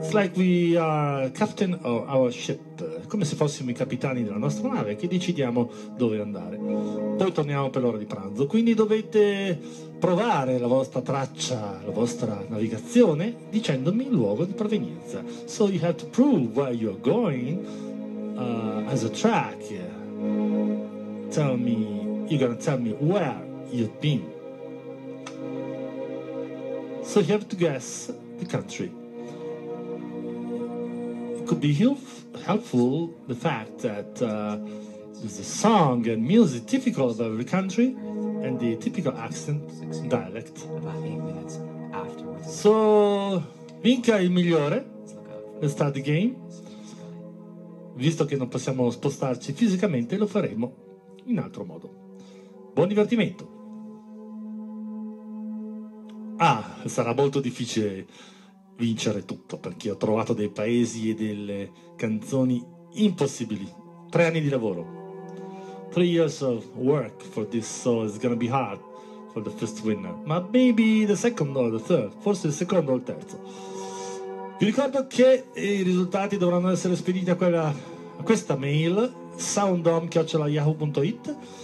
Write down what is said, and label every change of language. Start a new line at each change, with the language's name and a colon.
English: It's like we are captain of our ship,
Italian: come se fossimo i capitani della nostra nave che decidiamo dove andare. Poi torniamo per l'ora di pranzo, quindi dovete provare la vostra traccia, la vostra navigazione, dicendomi il luogo di provenienza.
English: So you have to prove where you're going as a track. Tell me, you're gonna tell me where you've been. So you have to guess the country. It could be helpful the fact that there's a song and music typical of every country and the typical accent, dialect. About 8 minutes afterwards. So
Italian: vinca il migliore.
English: Let's start the game.
Italian: Visto che non possiamo spostarci fisicamente, lo faremo in altro modo. Buon divertimento. Ah, sarà molto difficile vincere tutto, perché ho trovato dei paesi e delle canzoni impossibili. 3 anni di lavoro.
English: 3 years of work for this, so it's gonna be hard for the first winner.
Italian: Ma
English: maybe the second or the third,
Italian: forse il secondo o il terzo. Vi ricordo che i risultati dovranno essere spediti a questa mail, sounddom@yahoo.it.